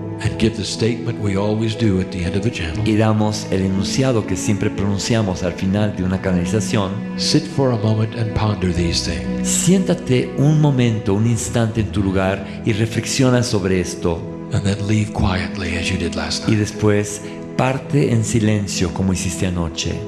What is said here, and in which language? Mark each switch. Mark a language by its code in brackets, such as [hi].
[en] and give the statement we always do at the end of a channel, [es] y damos el enunciado que siempre pronunciamos al final de una canalización, [en] sit for a moment and ponder these things. [es] Siéntate un momento, un instante en tu lugar y reflexiona sobre esto. [en] And then leave quietly as you did last night. [es] Y después parte en silencio como hiciste anoche.